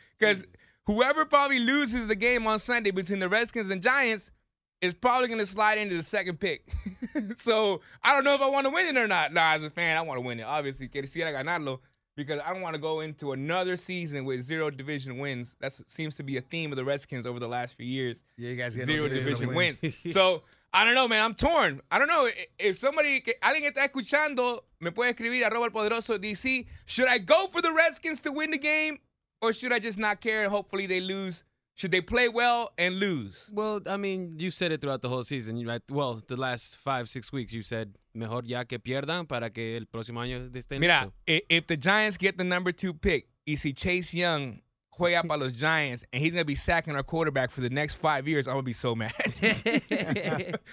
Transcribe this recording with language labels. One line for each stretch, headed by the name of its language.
English: Because whoever probably loses the game on Sunday between the Redskins and Giants is probably going to slide into the second pick. So I don't know if I want to win it or not. Nah, as a fan, I want to win it. Obviously,
Spanish: quisiera ganarlo.
English: Because I don't want to go into another season with 0 division wins. That seems to be a theme of the Redskins over the last few years. Yeah, you guys get 0 division wins. So I don't know, man. I'm torn. I don't know. If somebody,
Spanish: alguien está escuchando, me puede escribir, @elpoderosoDC.
English: Should I go for the Redskins to win the game, or should I just not care and hopefully they lose? Should they play well and lose? Well, I mean, you said it throughout the whole season. Right? Well, the last 5-6 weeks, you said,
Spanish: mejor ya que pierdan para que el próximo año estén. Mira,
English: if the Giants get the number 2 pick,
Spanish: y si Chase Young juega para los Giants,
English: and he's going to be sacking our quarterback for the next 5 years, I'm going to be so mad.